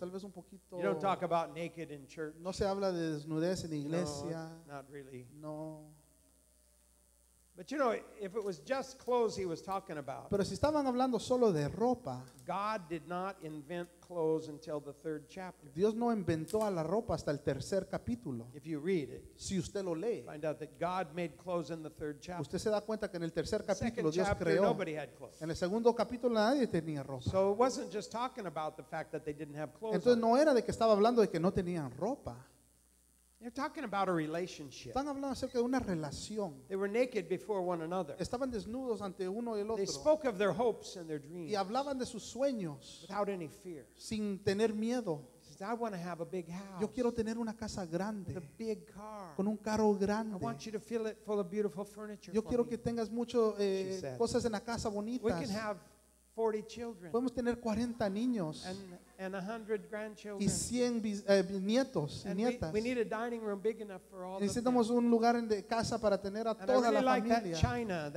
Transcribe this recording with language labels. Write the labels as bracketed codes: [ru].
[es] tal vez un poquito. [en] You don't talk about naked in church. [es] No se habla de desnudez en iglesia. [en] No, not really. [es] No. [en] But you know, if it was just clothes he was talking about. [es] Pero si estaban hablando solo de ropa. [en] God did not invent clothes until the third chapter. [es] Dios no inventó a la ropa hasta el tercer capítulo. [en] If you read it. [es] Si usted lo lee. [en] Find out that God made clothes in the third chapter. [es] Usted se da cuenta que en el tercer capítulo Dios creó. [en] Second chapter, nobody had clothes. [es] En el segundo capítulo nadie tenía ropa. [en] So it wasn't just talking about the fact that they didn't have clothes. [es] Entonces no era de que estaba hablando de que no tenían ropa. [en] They're talking about a relationship. [es] Están hablando acerca de una relación. [en] They were naked before one another. [es] Estaban desnudos ante uno y el otro. [en] They spoke of their hopes and their dreams. [es] Y hablaban de sus sueños. [en] Without any fear. [es] Sin tener miedo. [en] He says, I want to have a big house. [es] Yo quiero tener una casa grande. [en] With a big car. [es] Con un carro grande. [en] I want you to fill it full of beautiful furniture. [es] Yo quiero que tengas mucho cosas en la casa bonitas. [en] We can have 40 children. [es] Podemos tener 40 niños. [en] And 100 grandchildren. [es] Y 100 nietos y nietas. [en] We need a dining room big enough for all. [es] Necesitamos un lugar de casa para tener a toda la familia.